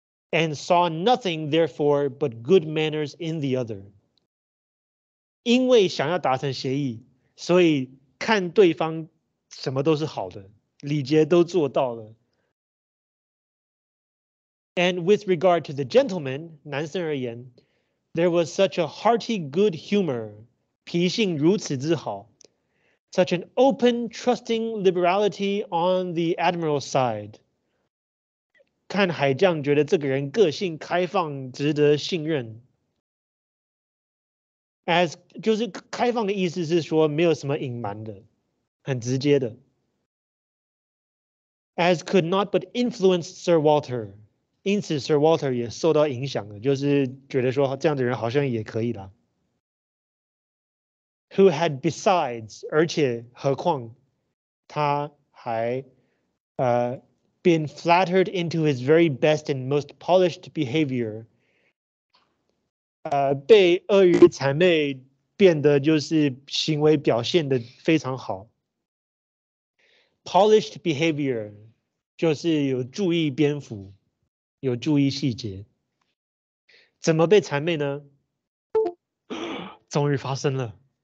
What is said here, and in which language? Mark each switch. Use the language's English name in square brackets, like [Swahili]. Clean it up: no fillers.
[English] And saw nothing, therefore, but good manners in the other. [Chinese] 因为想要达成协议，所以看对方什么都是好的，礼节都做到了。 [English] And with regard to the gentleman, [Chinese] 男生而言, [English] there was such a hearty good humor, [Chinese] 脾性如此之好, [English] such an open, trusting liberality on the admiral's side. [Chinese] 看海将觉得这个人个性开放，值得信任。 As 就是开放的意思是说没有什么隐瞒的，很直接的。 [English] As could not but influence Sir Walter, [Chinese] 因此 Sir Walter 也受到影响了，就是觉得说这样的人好像也可以啦。 [English] Who had besides, [Chinese] 而且何况他还 [English] been flattered into his very best and most polished behavior. [Chinese] 被阿谀谄媚变得就是行为表现得非常好。 Polished behavior 就是有注意蝙蝠，有注意细节。怎么被谄媚呢？终于发生了。